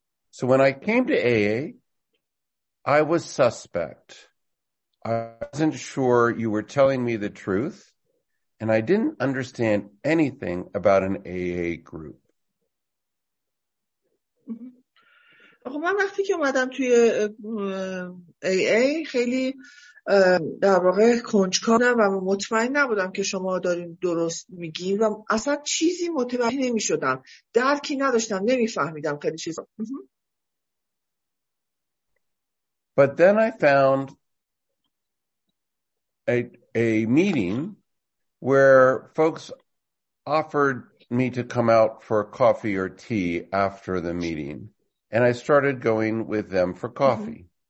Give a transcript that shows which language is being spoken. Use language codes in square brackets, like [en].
[en] So when I came to AA, I was suspect. I wasn't sure you were telling me the truth, and I didn't understand anything about an AA group. [fa] خب من وقتی که اومدم توی AA خیلی در واقع کنجکاوم و مطمئن نبودم که شما دارین درست میگین و اصلا چیزی متوجه نمی‌شدم، درکی نداشتم، نمی‌فهمیدم خیلی چیزا. [en] But then I found a meeting where folks offered me to come out for coffee or tea after the meeting, and I started going with them for coffee.